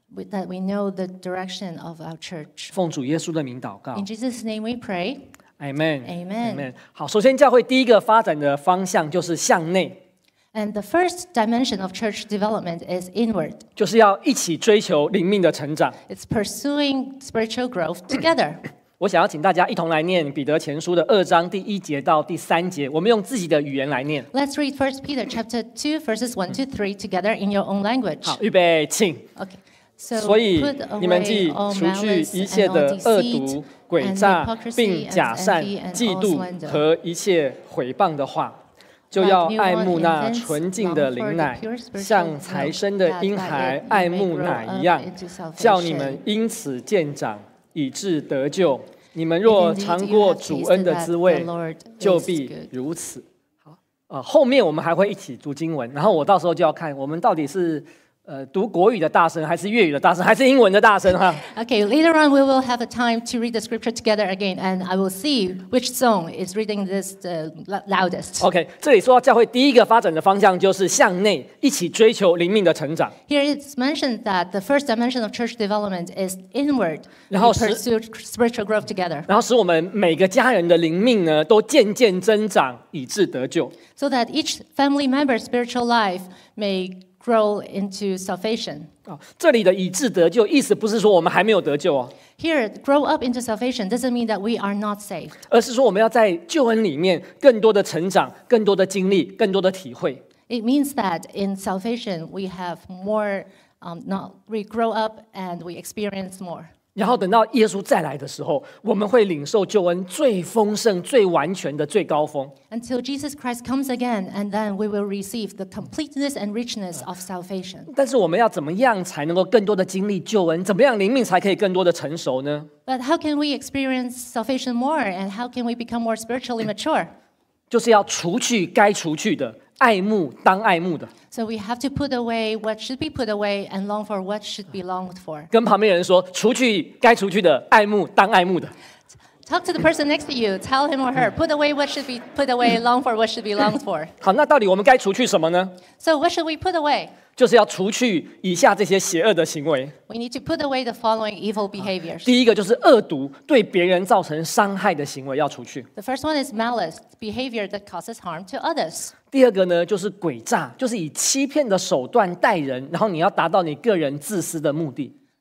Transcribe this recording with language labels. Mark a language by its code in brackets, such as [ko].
[en] That we know the direction of our church. [zh] 奉主耶稣的名祷告。 [en] In Jesus' name we pray. Amen. Amen. Amen. [zh] 好，首先教会第一个发展的方向就是向内。 [en] And the first dimension of church development is inward. [zh] 就是要一起追求灵命的成长。 [en] It's pursuing spiritual growth together. [zh] 我想要请大家一同来念彼得前书的二章第一节到第三节，我们用自己的语言来念。 [en] Let's read 1 Peter chapter 2 verses 1 to 3 together in your own language. [zh] 好，预备，请。 [en] Okay. [zh] So, 所以你们既除去一切的恶毒、诡诈、并假善、嫉妒和一切毁谤的话。就要爱慕那纯净的灵奶，像才生的婴孩爱慕奶一样，叫你们因此渐长，以致得救。你们若尝过主恩的滋味，就必如此。后面我们还会一起读经文，然后我到时候就要看我们到底是读国语的大声，还是粤语的大声，还是英文的大声哈。 [en] Okay, later on we will have a time to read the scripture together again, and I will see which zone is reading this the loudest. [zh] Okay, 这里说教会第一个发展的方向就是向内，一起追求灵命的成长。 [en] Here it's mentioned that the first dimension of church development is inward, to pursue spiritual growth together. [zh] 然后使我们每个家人的灵命呢都渐渐增长，以致得救。 [en] So that each family member's spiritual life may grow into salvation. [zh] 这里的以致得救意思不是说我们还没有得救哦。 [en] Here, grow up into salvation doesn't mean that we are not saved. [zh] 而是说我们要在救恩里面更多的成长，更多的经历，更多的体会。 [en] It means that in salvation we have more, not we grow up and we experience more. [zh] 然后等到耶稣再来的时候，我们会领受救恩最丰盛、最完全的最高峰。 [en] Until Jesus Christ comes again, and then we will receive the completeness and richness of salvation. [zh] 但是我们要怎么样才能够更多的经历救恩？怎么样灵命才可以更多的成熟呢 [en] ？But how can we experience salvation more, and how can we become more spiritually mature? [zh] 就是要除去该除去的，爱慕当爱慕的。 [en] So we have to put away what should be put away and long for what should be longed for. [zh] 跟旁边人说，除去该除去的，爱慕当爱慕的。 [en] Talk to the person next to you. Tell him or her, put away what should be put away, long for what should be longed for. [zh] 好，那到底我们该除去什么呢？ [en] So what should we put away? [zh] 就是要除去以下这些邪恶的行为。 [en] We need to put away the following evil behaviors. [zh] 第一个就是恶毒，对别人造成伤害的行为要除去。 [en] The first one is malice, behavior that causes harm to others. [zh] 第二个呢，就是诡诈，就是以欺骗的手段待人，然后你要达到你个人自私的目的。